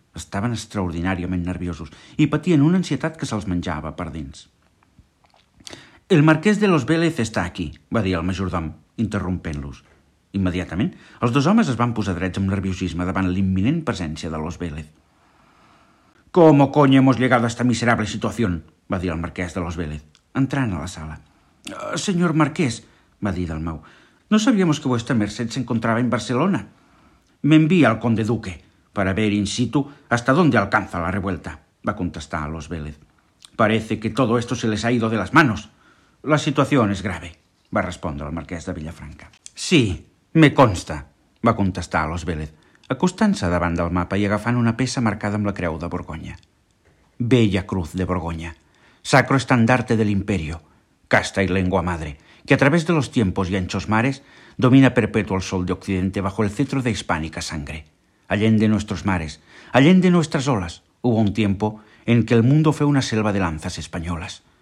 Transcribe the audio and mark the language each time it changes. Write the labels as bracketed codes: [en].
[ca] Estaven extraordinàriament nerviosos i patien una ansietat que se'ls menjava per dins. «El marquès de los Vélez està aquí», va dir el majordom, interrompent-los. Immediatament, els dos homes es van posar drets amb nerviosisme davant l'imminent presència de los Vélez. [es] «¿Cómo coño hemos llegado a esta miserable situación?», [ca] va dir el marquès de los Vélez, entrant a la sala. [es] «Señor marqués», [ca] va dir Dalmau, [es] «no sabíamos que vuestra merced se encontraba en Barcelona. Me envía el conde duque para ver in situ hasta dónde alcanza la revuelta», [ca] va contestar a los Vélez. [es] «Parece que todo esto se les ha ido de las manos. La situación es grave», [ca] va respondre el marquès de Villafranca. [es] «Sí, me consta», [ca] va contestar a los Vélez, acostant-se davant del mapa i agafant una peça marcada amb la creu de Borgonya. [es] «Bella cruz de Borgonya, sacro estandarte del imperio, casta y lengua madre, que a través de los tiempos y anchos mares domina perpetuo el sol de occidente bajo el cetro de hispánica sangre. Allende nuestros mares, allende nuestras olas, hubo un tiempo en que el mundo fue una selva de lanzas españolas.